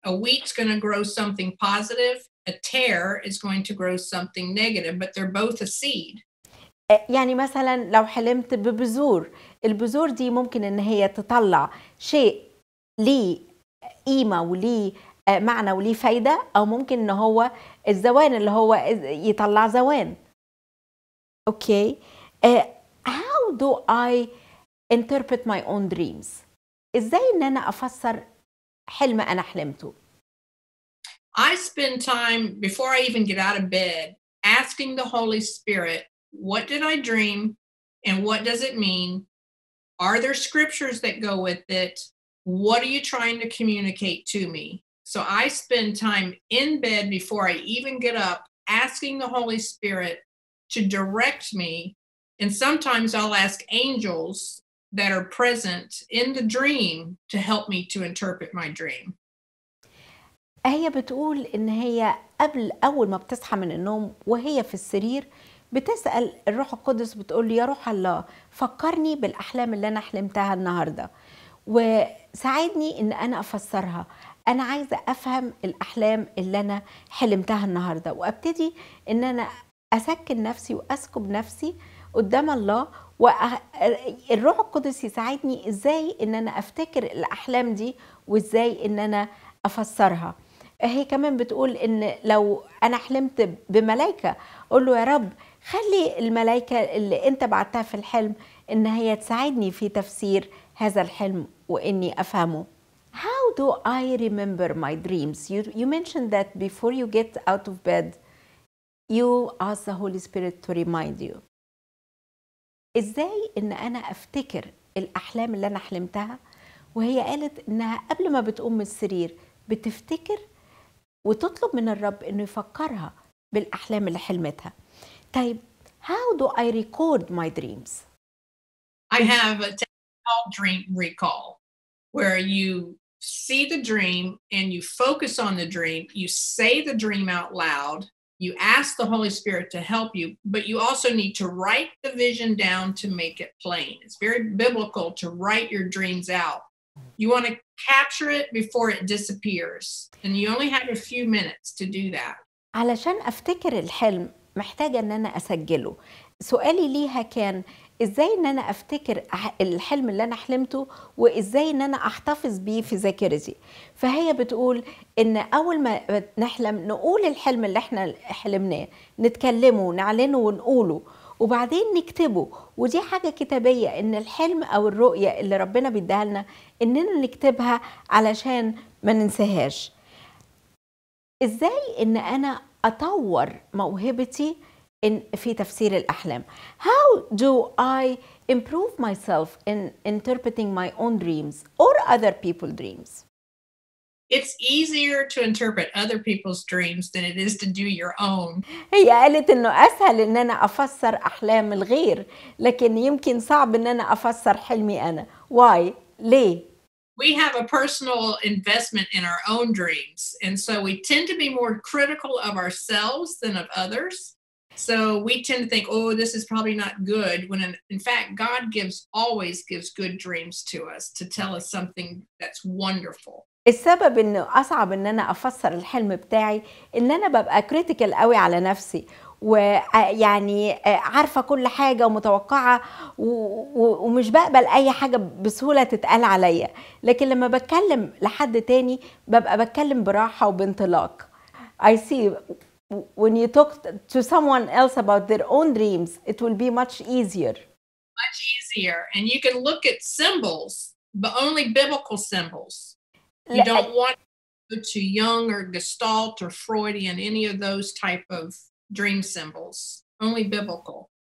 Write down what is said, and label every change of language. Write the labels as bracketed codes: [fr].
[en] A wheat's going to grow something positive. A tear is going to grow something negative, but they're both a seed. [ar] يعني مثلا لو حلمت ببذور البذور دي ممكن ان هي تطلع شيء لي قيمة ولي معنى ولي فايدة او ممكن ان هو الزوان اللي هو يطلع زوان. [en] Okay. How do I interpret my own dreams? [ar] ازاي ان انا افسر حلم انا حلمته؟ [en] I spend time before I even get out of bed asking the Holy Spirit, what did I dream and what does it mean? Are there scriptures that go with it? What are you trying to communicate to me? So I spend time in bed before I even get up asking the Holy Spirit to direct me. And sometimes I'll ask angels that are present in the dream to help me to interpret my dream. [ar] هي بتقول ان هي قبل اول ما بتصحى من النوم وهي في السرير بتسأل الروح القدس بتقول يا روح الله فكرني بالاحلام اللي انا حلمتها النهاردة وساعدني ان انا افسرها انا عايزة افهم الاحلام اللي انا حلمتها النهاردة وابتدي ان انا اسكن نفسي واسكب نفسي قدام الله والروح القدس يساعدني ازاي ان انا افتكر الاحلام دي وازاي ان انا افسرها هي كمان بتقول ان لو انا حلمت بملايكة اقول له يا رب خلي الملايكة اللي انت بعتها في الحلم ان هي تساعدني في تفسير هذا الحلم واني افهمه. [en] How do I remember my dreams? You mentioned that before you get out of bed, you ask the Holy Spirit to remind you. [ar] ازاي ان انا افتكر الاحلام اللي انا حلمتها وهي قالت انها قبل ما بتقوم من السرير بتفتكر وتطلب من الرب انه يفكرها بالاحلام اللي حلمتها. طيب [en] how do I record my dreams? I have a technique called dream recall where you see the dream and you focus on the dream, you say the dream out loud, you ask the Holy Spirit to help you, but you also need to write the vision down to make it plain. It's very biblical to write your dreams out. You want to capture it before it disappears. And you only have a few minutes to do that. [ar] علشان افتكر الحلم محتاجة أن أنا أسجله. سؤالي ليها كان إزاي أن أنا أفتكر الحلم اللي أنا حلمته وإزاي أن أنا أحتفظ به في ذاكرتي. فهي بتقول أن أول ما نحلم نقول الحلم اللي إحنا حلمناه، نتكلمه ونعلنه ونقوله، وبعدين نكتبه. ودي حاجة كتابية، أن الحلم أو الرؤية اللي ربنا بيديها لنا أننا نكتبها علشان ما ننساهاش. إزاي أن أنا أطور موهبتي in في تفسير الأحلام؟ [en] How do I improve myself in interpreting my own dreams or other people's dreams? It's easier to interpret other people's dreams than it is to do your own. [ar] هي قالت إنه أسهل إن أنا أفسر أحلام الغير، لكن يمكن صعب إن أنا أفسر حلمي أنا. [en] Why? [ar] ليه؟ [en] We have a personal investment in our own dreams, and so we tend to be more critical of ourselves than of others. So we tend to think, oh, this is probably not good, when in fact, God always gives good dreams to us to tell us something that's wonderful. [ar] السبب إنه أصعب إن أنا أفسر الحلم بتاعي إن أنا ببقى critical قوي على نفسي، ويعني عارفة كل حاجة ومتوقعة ومش بقبل أي حاجة بسهولة تتقال عليا. لكن لما بتكلم لحد تاني ببقى بتكلم براحة وبانطلاق. [en] I see when you talk to someone else about their own dreams it will be much easier. Much easier. And you can look at symbols but only biblical symbols. You don't want to go to Jung or Gestalt or Freudian, any of those type of dream symbols, only biblical.